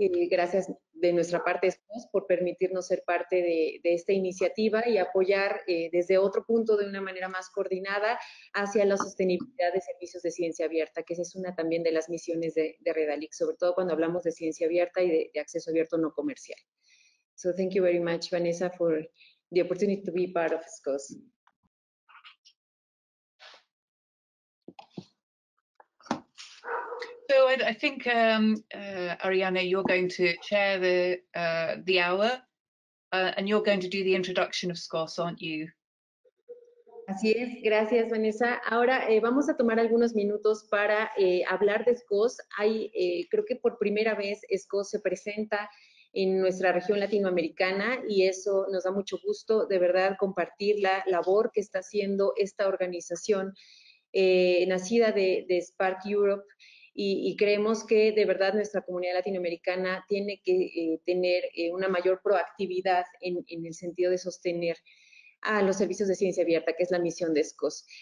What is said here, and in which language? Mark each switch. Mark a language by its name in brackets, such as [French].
[Spanish] Gracias de nuestra parte, SCOS, por permitirnos ser parte de esta iniciativa y apoyar desde otro punto, de una manera más coordinada, hacia la sostenibilidad de servicios de ciencia abierta, que esa es una también de las misiones de Redalic, sobre todo cuando hablamos de ciencia abierta y de acceso abierto no comercial. [English] So thank you very much, Vanessa, for the opportunity to be part of SCOS. So I think, Arianna, you're going to chair the hour, and you're going to do the introduction of SCOS, aren't you? [Spanish] Así es, gracias, Vanessa. Ahora vamos a tomar algunos minutos para hablar de SCOS. Creo que por primera vez SCOS se presenta en nuestra región latinoamericana, y eso nos da mucho gusto, de verdad, compartir la labor que está haciendo esta organización, nacida de Spark Europe, y creemos que, de verdad, nuestra comunidad latinoamericana tiene que tener una mayor proactividad en el sentido de sostener a los servicios de ciencia abierta, que es la misión de SCOS.